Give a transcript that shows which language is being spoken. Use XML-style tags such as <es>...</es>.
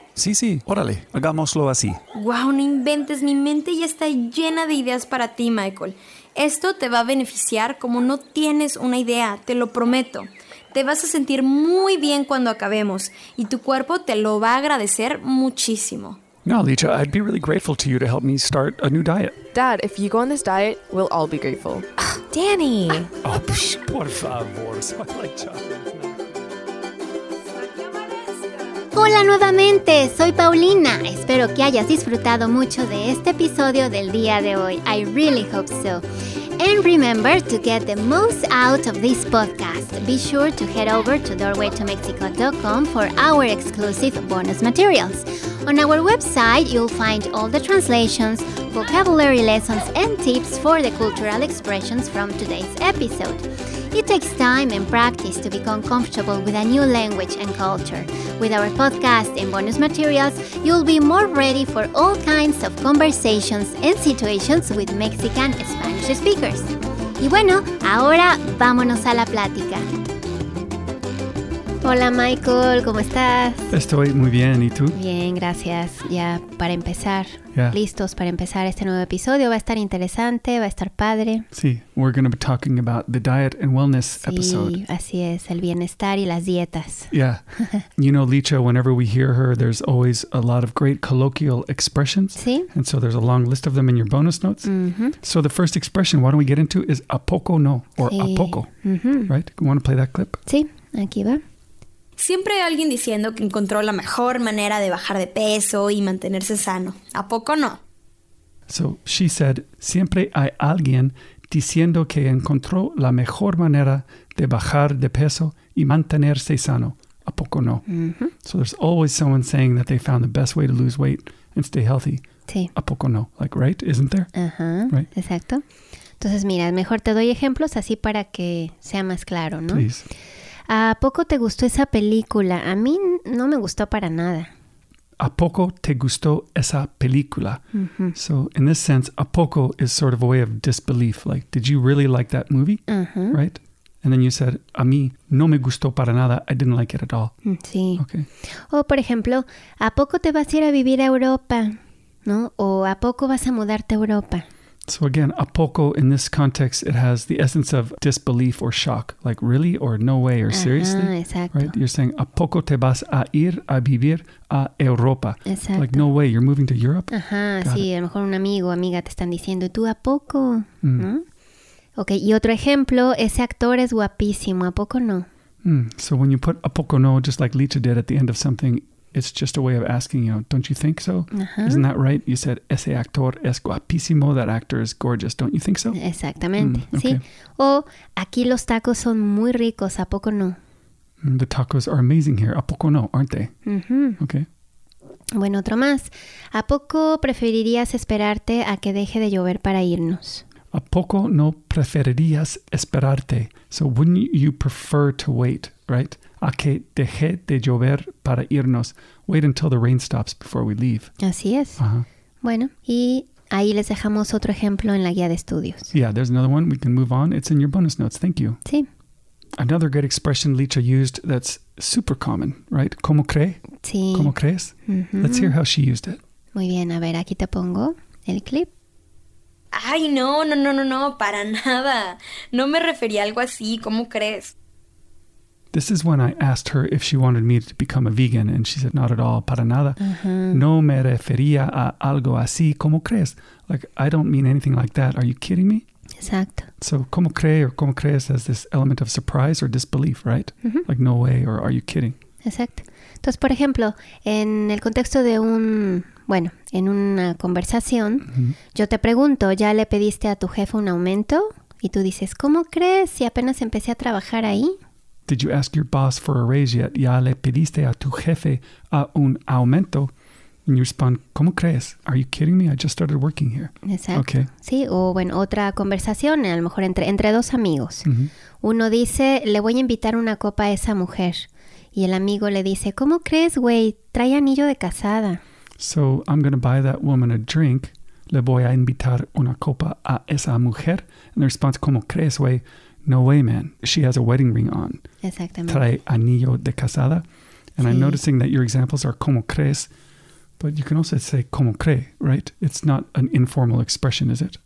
<es>Sí, sí. Órale, hagámoslo así. ¡Wow! No inventes. Mi mente ya está llena de ideas para ti, Michael. Esto te va a beneficiar como no tienes una idea, te lo prometo. Te vas a sentir muy bien cuando acabemos y tu cuerpo te lo va a agradecer muchísimo.</es> <en>No, Licha, I'd be really grateful to you to help me start a new diet. Dad, if you go on this diet, we'll all be grateful. Danny!</en> <es>Oh, psh, por favor, soy Licha. Hola nuevamente, soy Paulina. Espero que hayas disfrutado mucho de este episodio del día de hoy.</es> <en>I really hope so. And remember, to get the most out of this podcast, be sure to head over to doorwaytomexico.com for our exclusive bonus materials. On our website, you'll find all the translations, vocabulary lessons, and tips for the cultural expressions from today's episode. It takes time and practice to become comfortable with a new language and culture. With our podcast and bonus materials, you'll be more ready for all kinds of conversations and situations with Mexican Spanish speakers.</en> <es>Y bueno, ahora vámonos a la plática. Hola Michael, ¿cómo estás? Estoy muy bien, ¿y tú? Bien, gracias. Ya para empezar, listos para empezar este nuevo episodio. Va a estar interesante, va a estar padre.</es> <en>Sí, we're going to be talking about the diet and wellness</en> <es>sí,</es> <en>episode.</en> <es>Sí, así es, el bienestar y las dietas.</es> <en>Yeah. You know, Licha, whenever we hear her, there's always a lot of great colloquial expressions.</en> <es>Sí.</es> <en>And so there's a long list of them in your bonus notes. Mm-hmm. So the first expression, why don't we get into, is a poco no, or</en> <es>sí. a poco. Mm-hmm.</es> <en>Right? You want to play that clip?</en> <es>Sí, aquí va. Siempre hay alguien diciendo que encontró la mejor manera de bajar de peso y mantenerse sano. ¿A poco no?</es> <en>So, she said,</en> <es>siempre hay alguien diciendo que encontró la mejor manera de bajar de peso y mantenerse sano. ¿A poco no? Mm-hmm.</es> <en>So, there's always someone saying that they found the best way to lose weight and stay healthy.</en> <es>Sí.</es> <en>¿A poco no? Like, right? Isn't there? Uh-huh. Right?</en> <es>Exacto. Entonces, mira, mejor te doy ejemplos así para que sea más claro, ¿no?</es> <en>Please.</en> <es>¿A poco te gustó esa película? A mí no me gustó para nada. ¿A poco te gustó esa película? Mm-hmm.</es> <en>So, in this sense, a poco is sort of a way of disbelief. Like, did you really like that movie? Mm-hmm. Right? And then you said,</en> <es>a mí no me gustó para nada.</es> <en>I didn't like it at all.</en> <es>Sí.</es> <en>Okay.</en> <es>O, por ejemplo, ¿a poco te vas a ir a vivir a Europa? ¿No? O, ¿a poco vas a mudarte a Europa?</es> <en>So again, a poco, in this context, it has the essence of disbelief or shock. Like, really? Or no way? Or seriously?</en> <es>Uh-huh, exacto.</es> <en>Right? You're saying,</en> <es>a poco te vas a ir a vivir a Europa? Exacto.</es> <en>Like, no way, you're moving to Europe?</en> <es>Ajá, uh-huh, sí, it. A lo mejor un amigo o amiga te están diciendo, ¿tú a poco? Mm. ¿No? Okay, y otro ejemplo, ese actor es guapísimo, ¿a poco no? Mm.</es> <en>So when you put a poco no, just like Licha did at the end of something, it's just a way of asking, you know, don't you think so? Uh-huh. Isn't that right? You said,</en> <es>ese actor es guapísimo.</es> <en>That actor is gorgeous. Don't you think so?</en> <es>Exactamente. Mm, okay. Sí. O, aquí los tacos son muy ricos. ¿A poco no?</es> <en>The tacos are amazing here. ¿A poco no? Aren't they? Uh-huh. Okay.</en> <es>Bueno, otro más. ¿A poco preferirías esperarte a que deje de llover para irnos? ¿A poco no preferirías esperarte?</es> <en>So, wouldn't you prefer to wait, right?</en> <es>A que deje de llover para irnos.</es> <en>Wait until the rain stops before we leave.</en> <es>Así es. Uh-huh. Bueno, y ahí les dejamos otro ejemplo en la guía de estudios.</es> <en>Yeah, there's another one. We can move on. It's in your bonus notes. Thank you.</en> <es>Sí.</es> <en>Another great expression Licha used that's super common, right?</en> <es>¿Cómo cree? Sí. ¿Cómo crees? Uh-huh.</es> <en>Let's hear how she used it.</en> <es>Muy bien, a ver, aquí te pongo el clip. Ay, no, para nada. No me refería a algo así. ¿Cómo crees?</es> <en>This is when I asked her if she wanted me to become a vegan, and she said, not at all, para nada. Uh-huh.</en> <es>No me refería a algo así, ¿cómo crees?</es> <en>Like, I don't mean anything like that. Are you kidding me?</en> <es>Exacto.</es> <en>So, ¿cómo cree or cómo crees has this element of surprise or disbelief, right? Uh-huh. Like, no way, or are you kidding?</en> <es>Exacto. Entonces, por ejemplo, en el contexto de un, bueno, en una conversación, uh-huh. yo te pregunto, ¿ya le pediste a tu jefe un aumento? Y tú dices, ¿cómo crees si apenas empecé a trabajar ahí?</es> <en>Did you ask your boss for a raise yet?</en> <es>¿Ya le pediste a tu jefe a un aumento?</es> <en>And you respond, ¿cómo crees? Are you kidding me? I just started working here.</en> <es>Exacto. Okay. Sí, o en otra conversación, a lo mejor entre dos amigos. Mm-hmm. Uno dice, le voy a invitar una copa a esa mujer. Y el amigo le dice, ¿cómo crees, güey? Trae anillo de casada.</es> <en>So, I'm going to buy that woman a drink.</en> <es>Le voy a invitar una copa a esa mujer.</es> <en>And the response,</en> <es>¿cómo crees, güey?</es> <en>No way, man. She has a wedding ring on.</en> <es>Exactamente. Trae anillo de casada.</es> <en>And sí. I'm noticing that your examples are ¿cómo crees? But you can also say ¿cómo cree? Right? It's not an informal expression, is it?</en>